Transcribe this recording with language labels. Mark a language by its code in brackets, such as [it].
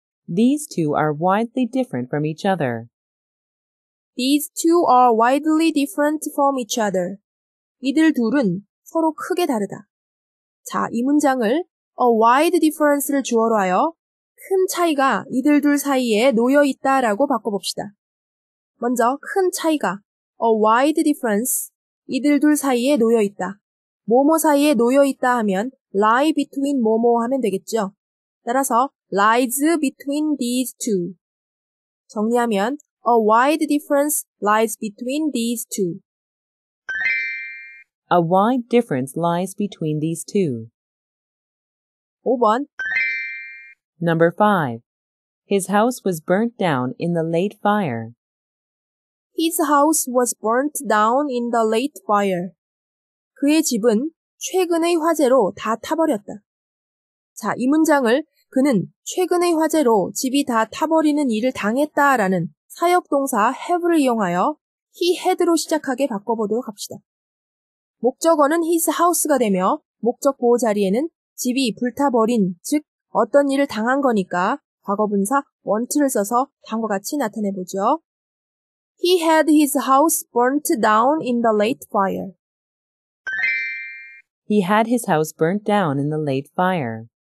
[en] These two are widely different from each other. These two are widely different from each other. [ko] 이들 둘은 서로 크게 다르다. 자, 이 문장을 [en] a wide difference [ko] 를 주어로 하여 큰 차이가 이들 둘 사이에 놓여 있다 라고 바꿔봅시다. 먼저 큰 차이가 [en] a wide difference, [ko] 이들 둘 사이에 놓여 있다. 뭐뭐 사이에 놓여 있다 하면 lie between 뭐뭐 하면 되겠죠. 따라서 [en] lies between these two. [ko] 정리하면 [en] a wide difference lies between these two. A wide difference lies between these two. [ko] 5번. [en] Number 5. His house was burnt down in the late fire. His house was burnt down in the late fire. [ko] 그의 집은 최근의 화재로 다 타버렸다. 자, 이 문장을 그는 최근의 화재로 집이 다 타버리는 일을 당했다라는 사역동사 have를 이용하여 he had로 시작하게 바꿔보도록 합시다. 목적어는 his house가 되며 목적 보호 자리에는 집이 불타버린, 즉 어떤 일을 당한 거니까 과거분사 want를 써서 다음과 같이 나타내보죠. [en] He had his house burnt down in the late fire. He had his house burnt down in the late fire.